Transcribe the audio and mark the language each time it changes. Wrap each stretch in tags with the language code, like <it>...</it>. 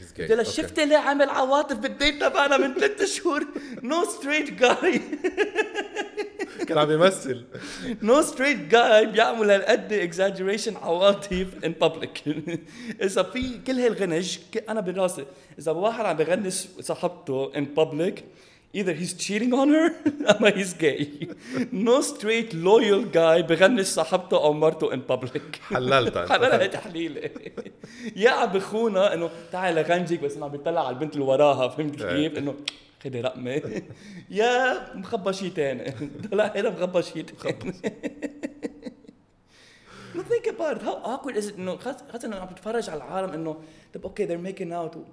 <ar>قلت له شفتي ليه عامل عواطف بالديت تبعنا من 3 شهور نو ستريت جاي كان عم يمثل نو ستريت جاي بيعمل هالقد اكزاجريشن عواطف ان بابليك اذا في كل هالغنج انا براسي اذا واحد عم بغنش صاحبته ان بابليك</ar> <en>either he's cheating on her or he's gay. No straight loyal guy</en> <ar>بغنش صاحبته أو مرته</ar> <en>in public.</en> <ar>حللتها. حللها تحليلة. يا عم خونا إنه تعال غنجيك بس أنا بيطلع على البنت اللي وراها فهمت كيف إنه خدي رقمي. يا مخبى شيء تاني. طلع هنا مخبى شيء تاني.</ar> <en>Now think about it. How awkward is it?</en> <ar>No, خاصة إنه عم تتفرج على العالم إنه تب</ar> <en>okay they're making out.</en>